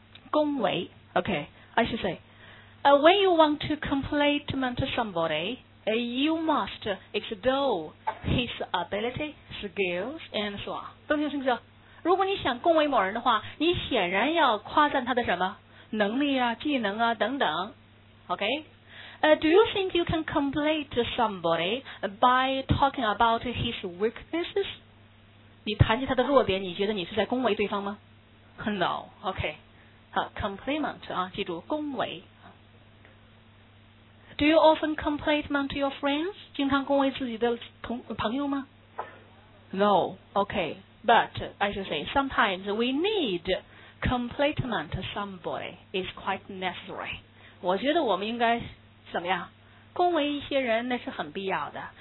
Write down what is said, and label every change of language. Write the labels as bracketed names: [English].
[English] 恭维 ，OK， I should say， when you want to compliment somebody， you must extol his ability， skills， and so on。 [Chinese] 懂听清楚？如果你想恭维某人的话，你显然要夸赞他的什么能力啊、技能啊等等。 [English] OK， do you think you can compliment somebody by talking about his weaknesses？ [Chinese] 你谈及他的弱点，你觉得你是在恭维对方吗 ？No， OK。 Compliment 啊，记住恭维。 [English] Do you often compliment your friends? [Chinese] 经常恭维自己的朋友吗 ？No. [English] Okay. But I should say sometimes we need compliment somebody. It's quite necessary. [Chinese] 我觉得我们应该怎么样？恭维一些人那是很必要的。